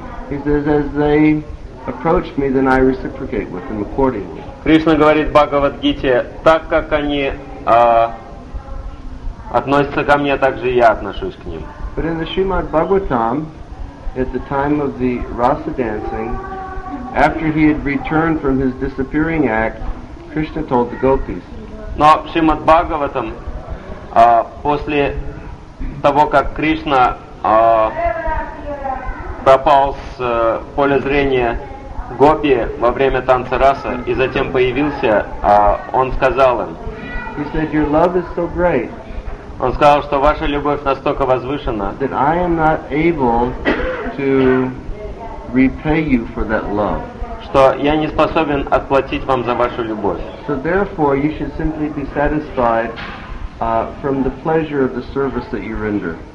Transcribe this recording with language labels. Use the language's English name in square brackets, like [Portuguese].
[English] He says, as they approach me, then I reciprocate with them accordingly. [Russian] Кришна говорит в Бхагавад Гите, так как они относятся ко мне, так же и я отношусь к ним. [English] But in the Srimad Bhagavatam, at the time of the rasa dancing, after he had returned from his disappearing act, Krishna told the gopis. [Russian] Но в Шримад Бхагаватам, после того, как Кришна пропал с поля зрения гопи во время танца раса и затем появился, он сказал им. [English] He said, "Your love is so great." [Russian] Он сказал, что ваша любовь настолько возвышена, [English] that I am not able to repay you for that love. [Russian] Что я не способен отплатить вам за вашу любовь. [English] So therefore, you should simply be satisfied from the pleasure of the service that you render.